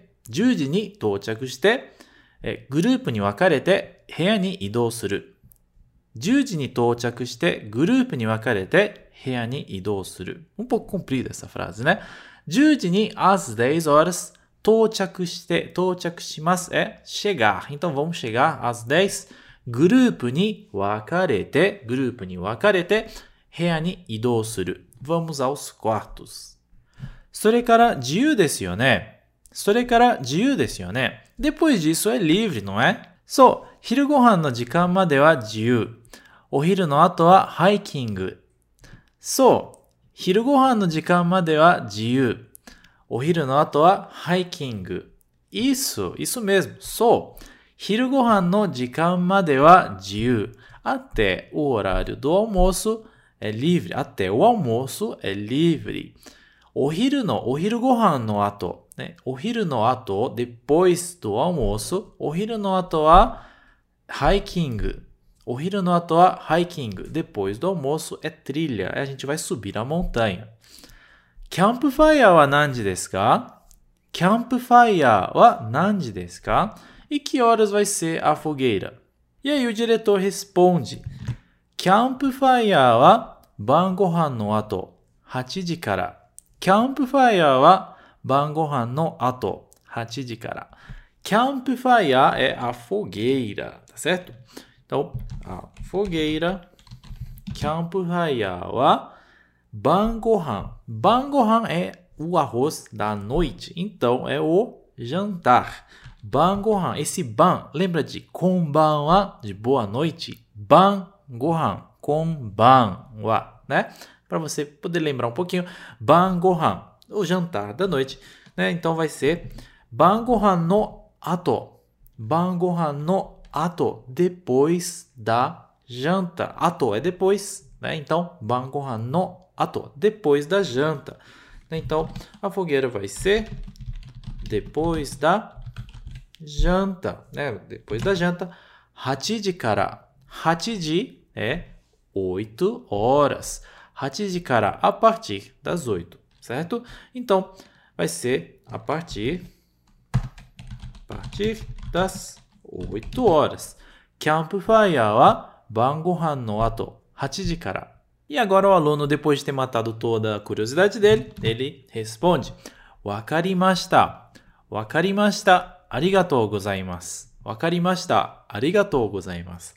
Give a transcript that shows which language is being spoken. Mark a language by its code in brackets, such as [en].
[ja] 10時に到着して、グループに分かれて部屋に移動する。 [pt] Um pouco comprida essa frase, né? 10時に às 10 horas, [ja] 到着します [pt] é chegar. Então vamos chegar às 10, [ja] グループに分かれて部屋に移動する。 [pt] Vamos aos quartos. [ja] それから自由ですよね。 [pt] Depois disso é livre, não é? [ja] そう、昼ご飯の時間までは自由。お昼の後はハイキング。そう、昼ご飯の時間までは自由。お昼の後はハイキング。 [pt] Isso mesmo. [ja] そう、昼ご飯の時間までは自由。 [pt] Até o horário do almoço é livre. Até o almoço é livre. [ja] お昼ご飯の後。ね、お昼の後、 [pt] depois do almoço、 [ja] お昼の後はハイキング。お昼の後はハイキング。 [pt] depois do almoço é trilha。 A gente vai subir a montanha。 [ja] キャンプファイヤーは何時ですか？キャンプファイヤーは何時ですか？ [pt] E que horas vai ser a fogueira? E aí o diretor responde: [ja] キャンプファイヤーは晩ご飯の後、8時から。キャンプファイヤーは晩ご飯の後、8時から。 [pt] キャンプファイヤー é a fogueira, tá certo? Então, a fogueira, [ja] キャンプファイヤーは晩ご飯。 [pt] 晩ご飯 é o arroz da noite, então é o jantar. 晩ご飯, esse 晩, lembra de こんばんは, de boa noite? [ja] 晩ご飯, こんばんは, né? [pt] Para você poder lembrar um pouquinho, 晩ご飯. O jantar da noite, né? Então vai ser [ja] 晩ご飯の後, 晩ご飯の後, [pt] depois da janta. 後 é depois, né? Então [ja] 晩ご飯の後, [pt] depois da janta. Então a fogueira vai ser depois da janta, né? Depois da janta, 8 時から, 8時 é 8 horas, 8時から, a partir das 8. Certo? Então, vai ser a partir das 8 horas. [ja] Campfire は晩ご飯の後、8時から。 [pt] E agora o aluno, depois de ter matado toda a curiosidade dele, ele responde: [ja] わかりました。わかりました。ありがとうございます。わかりました。ありがとうございます。